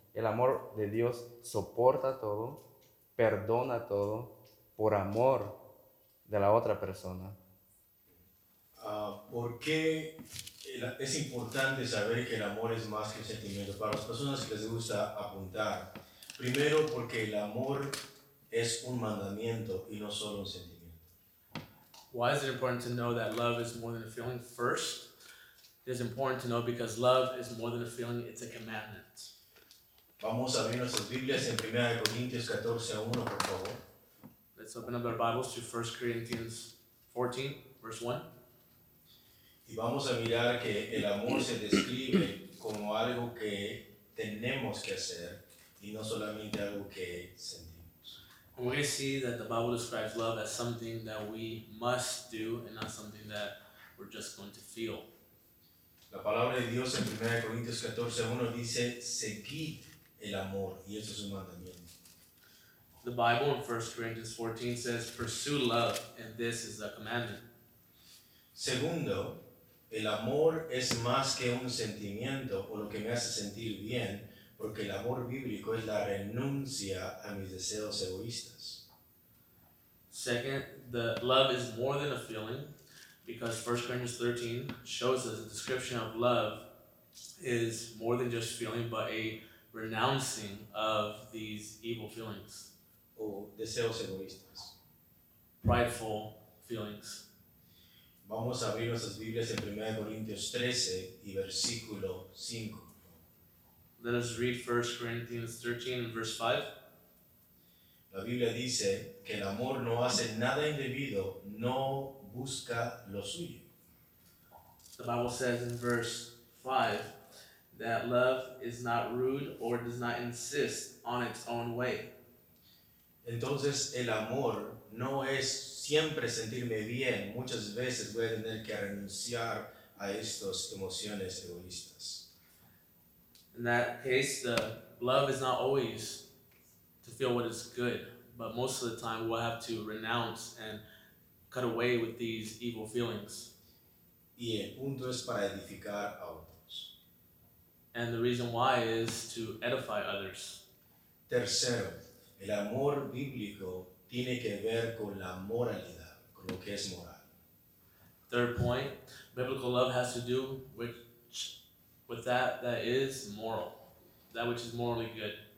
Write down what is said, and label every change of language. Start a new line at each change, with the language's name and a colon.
Spanish: El amor de Dios soporta todo, perdona todo, por amor de la otra persona. ¿Por qué es importante saber que el amor es más que un sentimiento? Para las personas que les gusta apuntar, primero porque el amor es un mandamiento y no solo un sentimiento.
English: Why is it important to know that love is more than a feeling? First, it is important to know because love is more than a feeling, it's a commandment.
Spanish: Vamos a abrir nuestras Biblias en 1 Corintios 14:1, por favor.
English: Let's open up our Bibles to 1 Corinthians 14, verse 1.
Spanish: Y vamos a mirar que el amor se describe como algo que tenemos que hacer y no solamente algo que sentimos.
English: We're going to see that the Bible describes love as something that we must do and not something that we're just going to feel.
Spanish: La palabra de Dios en 1 Corintios 14:1 dice, seguid el amor, y eso es un mandamiento.
English: The Bible in 1 Corinthians 14 says, pursue love, and this is a commandment.
Spanish: Segundo, el amor es más que un sentimiento o lo que me hace sentir bien, porque el amor bíblico es la renuncia a mis deseos egoístas.
English: Second, the love is more than a feeling, because 1 Corinthians 13 shows us the description of love is more than just feeling, but a renouncing of these evil feelings.
Spanish: O deseos egoístas.
English: Prideful feelings.
Spanish: Vamos a abrir nuestras Biblias en 1 Corintios 13 y versículo 5.
English: Let us read 1 Corinthians 13 and verse 5.
Spanish: La Biblia dice que el amor no hace nada indebido, no busca lo suyo.
English: The Bible says in verse 5 that love is not rude or does not insist on its own way.
Spanish: Entonces el amor no es siempre sentirme bien. Muchas veces voy a tener que renunciar a estas emociones egoístas.
English: In that case, the love is not always to feel what is good, but most of the time we'll have to renounce and cut away with these evil feelings.
Spanish: Y el punto es para edificar a otros.
English: And the reason why is to edify others.
Spanish: Tercero, el amor bíblico tiene que ver con la moralidad, con lo que es moral.
English: Third point, biblical love has to do with that that is moral, that which is morally good.